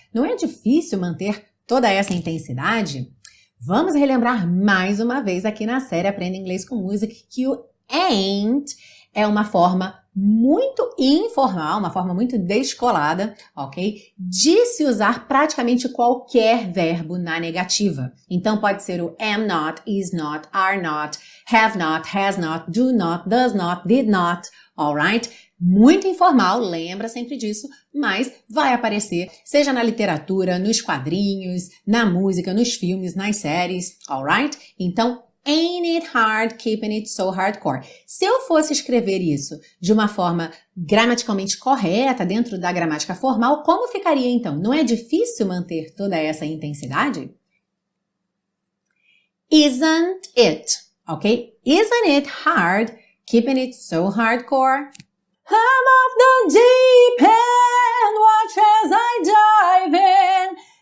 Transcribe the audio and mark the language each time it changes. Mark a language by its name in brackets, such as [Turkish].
[Portuguese] Não é difícil manter toda essa intensidade? Vamos relembrar mais uma vez aqui na série Aprenda Inglês com Música que o ain't é uma forma muito informal, uma forma muito descolada, ok? De se usar praticamente qualquer verbo na negativa. Então pode ser o [English] am not, is not, are not, have not, has not, do not, does not, did not, alright? [Portuguese] Muito informal, lembra sempre disso, mas vai aparecer, seja na literatura, nos quadrinhos, na música, nos filmes, nas séries, alright? [English] Então, Ain't it hard keeping it so hardcore? [Portuguese] Se eu fosse escrever isso de uma forma gramaticalmente correta, dentro da gramática formal, como ficaria então? Não é difícil manter toda essa intensidade? [English] Isn't it, ok? Isn't it hard keeping it so hardcore? I'm off the deep end, watch as I dive in.